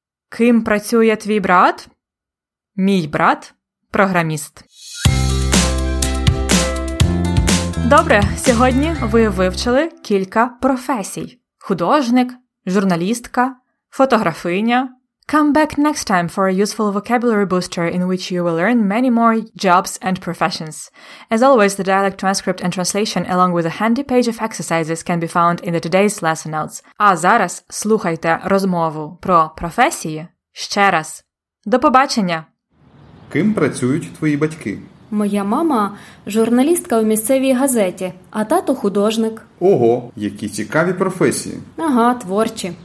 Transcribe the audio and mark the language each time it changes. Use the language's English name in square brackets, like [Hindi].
[Ukrainian] Ким працює твій брат? Мій брат – програміст. Добре, сьогодні ви вивчили кілька професій. Художник, журналістка, фотографиня. [English] Come back next time for a useful vocabulary booster in which you will learn many more jobs and professions. As always, the dialect transcript and translation along with a handy page of exercises can be found in the today's lesson notes. [Ukrainian] А зараз слухайте розмову про професії ще раз. До побачення! Ким працюють твої батьки? Моя мама – журналістка у місцевій газеті, а тато – художник. Ого, які цікаві професії. Ага, творчі.